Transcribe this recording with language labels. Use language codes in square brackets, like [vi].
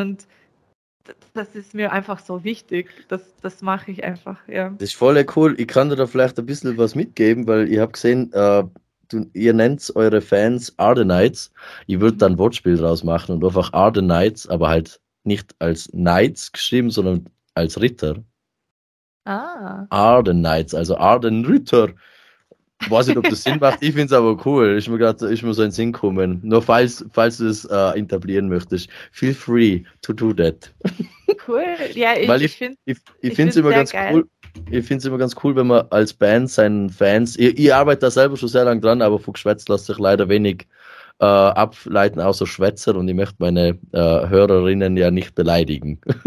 [de] Und das ist mir einfach so wichtig. Das mache ich einfach, ja. Das ist voll cool. Ich kann dir da vielleicht ein bisschen was mitgeben, weil ich habe gesehen, ihr nennt eure Fans Ardenites. Ich würde da ein Wortspiel draus machen und einfach Ardenites, aber halt nicht als Knights geschrieben, sondern als Ritter. Ah. Ardenites, also Ardenritter. Weiß nicht, ob das Sinn macht. Ich finde es aber cool. Ist mir so in den Sinn gekommen. Nur falls du es etablieren möchtest, [en] feel free to do that. [de] Cool. Ja, ich finde es immer ganz geil. Cool. Ich finde es immer ganz cool, wenn man als Band seinen Fans, ich arbeite da selber schon sehr lange dran, aber von Geschwätz lässt sich leider wenig ableiten, außer Schwätzer, und ich möchte meine Hörerinnen ja nicht beleidigen.